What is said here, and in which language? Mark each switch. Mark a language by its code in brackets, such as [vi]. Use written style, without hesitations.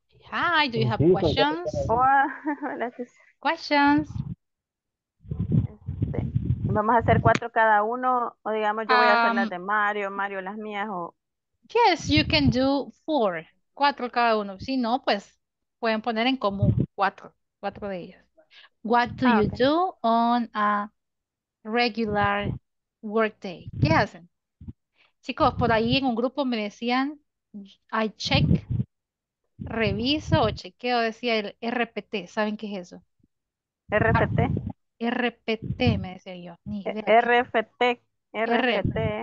[en] Hi, do you have questions? Questions. [es] Este, vamos a hacer cuatro cada uno. O digamos, yo voy a hacer las de Mario, Mario las mías. O... [en] Yes, you can do four. [es] Cuatro cada uno. Si no, pues pueden poner en común cuatro de ellas. [en] What do you do on a regular work day? [es] ¿Qué hacen? Chicos, por ahí en un grupo me decían, [en] I check, [es] reviso o chequeo, decía el RPT. ¿Saben qué es eso? RPT. RPT, me decía yo. Ni idea. RFT. RFT.